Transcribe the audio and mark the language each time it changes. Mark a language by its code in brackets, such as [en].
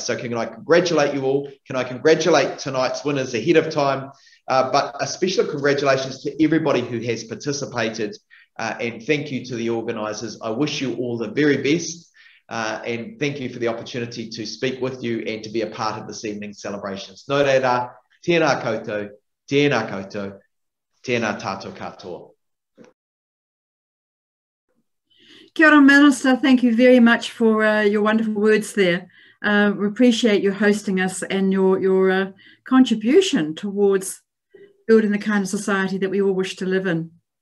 [en] So can I congratulate you all? Can I congratulate tonight's winners ahead of time? But a special congratulations to everybody who has participated, and thank you to the organisers. I wish you all the very best, and thank you for the opportunity to speak with you and to be a part of this evening's celebrations. [mi] Nō reira, tēnā koutou, tēnā koutou, tēnā tātou katoa. Kia ora, Minister. [en] Thank you very much for your wonderful words there. We appreciate you hosting us and your contribution towards building the kind of society that we all wish to live in.